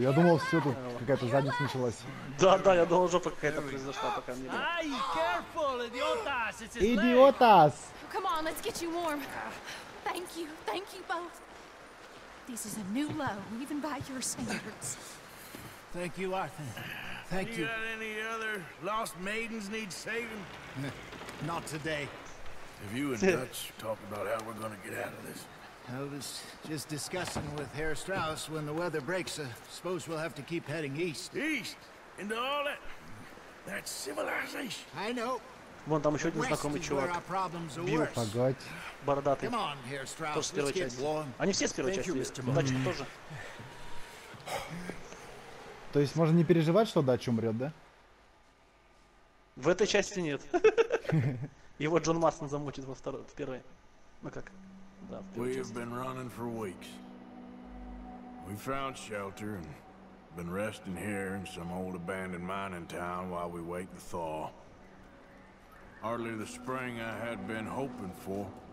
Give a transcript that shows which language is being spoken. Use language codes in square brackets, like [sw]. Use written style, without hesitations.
[ru] Я думал, все тут какая-то задница началась. Да-да, я думал, жопа какая-то произошла, пока мне. [en] Ай, careful, idiotas! [es] Идиотас! [en] Come on, let's get you warm. Thank you both. This is a new low, even by your standards. Thank you, Arthur. Thank you. You got any other lost maidens need saving? Not today. If you and Dutch talk about how we're gonna get out of this. I was just discussing with Herr Strauss when the weather breaks. I suppose we'll have to keep heading east. East? Into all that? That civilization? I know. [ru] Вон там еще один знакомый чувак. Бил, погодь. Бородатый. [en] Come on, Herr Strauss. [ru] Тоже с первой части. Они все с первой части. Дача тоже. То есть можно не переживать, что Дача умрет, да? В этой части нет. Его Джон Марстон замочит во второй, в первой. Ну как? [en] We have been running for weeks. We found shelter and been resting here in some old abandoned mining town while we wait the thaw. Hardly the spring I had been hoping for.